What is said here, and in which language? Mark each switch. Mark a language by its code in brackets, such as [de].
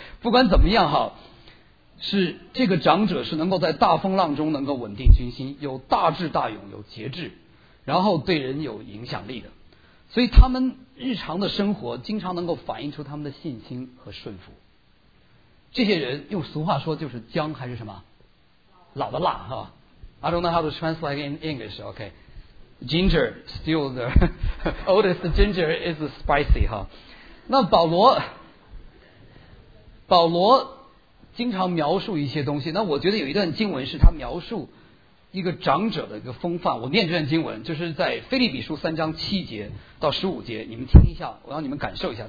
[zh] 不管怎么样哈，是这个长者是能够在大风浪中能够稳定军心，有大智大勇，有节制，然后对人有影响力的。所以他们日常的生活经常能够反映出他们的信心和顺服。这些人用俗话说就是姜还是什么老的辣哈。 [en] I don't know how to translate in English, okay. Ginger, still the oldest ginger is spicy, huh? [zh] 那保罗经常描述一些东西，那我觉得有一段经文是他描述一个长者的一个风范。我念这段经文，就是在腓立比书三章七节到十五节，你们听一下，我让你们感受一下。